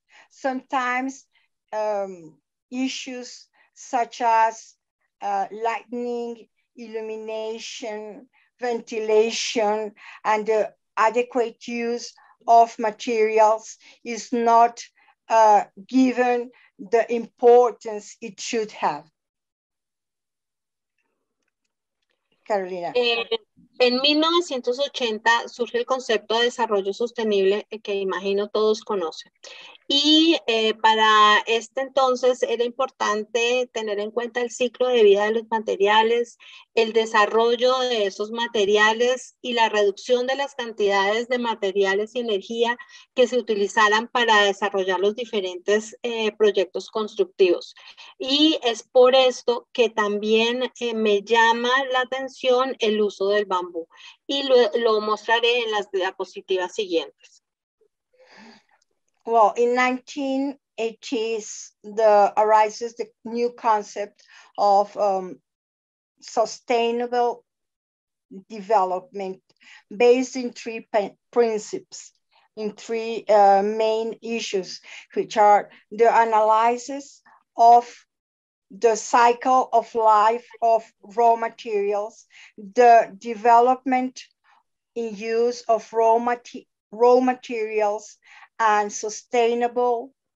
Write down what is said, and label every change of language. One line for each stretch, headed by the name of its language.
English: Sometimes issues such as lightning, illumination, ventilation, and the adequate use of materials is not given the importance it should have. Carolina.
Spanish: En 1980 surge el concepto de desarrollo sostenible que imagino todos conocen. Y para este entonces era importante tener en cuenta el ciclo de vida de los materiales, el desarrollo de esos materiales y la reducción de las cantidades de materiales y energía que se utilizaran para desarrollar los diferentes proyectos constructivos. Y es por esto que también me llama la atención el uso del bambú. Y lo mostraré en las diapositivas siguientes.
English: Well, in 1980s, arises the new concept of sustainable development based in three principles, in three main issues, which are the analysis of the cycle of life of raw materials, the development in use of raw materials and sustainable